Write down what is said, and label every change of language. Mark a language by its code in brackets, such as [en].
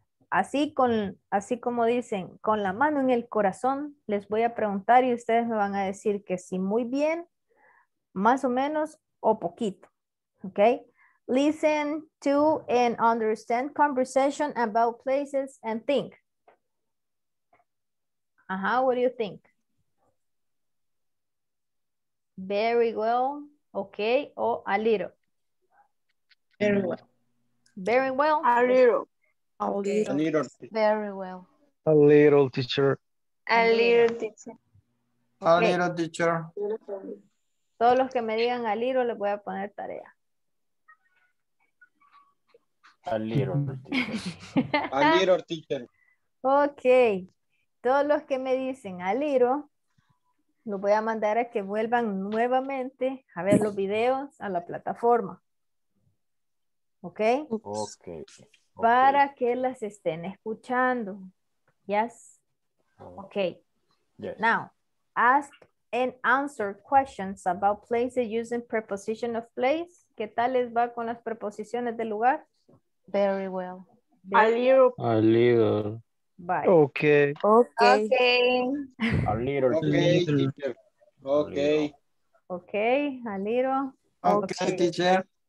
[es] Así, con, así como dicen, con la mano en el corazón, les voy a preguntar y ustedes me van a decir que sí, muy bien, más o menos, o poquito. [en] Okay? Listen to and understand conversation about places and think. Uh-huh, what do you think? Very well, okay, o a little. Very well. Very well. A little. A little. A little. Very well. A little teacher. A little teacher. Okay. A little teacher. [es] Todos los que me digan [en] a little [es] les voy a poner tarea. [en] A little teacher. A little teacher. Ok. [es] Todos los que me dicen [en] a little, [es] los voy a mandar a que vuelvan nuevamente a ver los videos a la plataforma. [en] Ok. Ok. [es] Para que las estén escuchando. [en] Yes. Okay. Yes. Now, ask and answer questions about places using preposition of place. [es] ¿Qué tal les va con las preposiciones de lugar? [en] Very well. A little. A little. Bye. Okay. Okay. Okay. A little. Okay. Okay. Okay. A little. Okay, okay, teacher.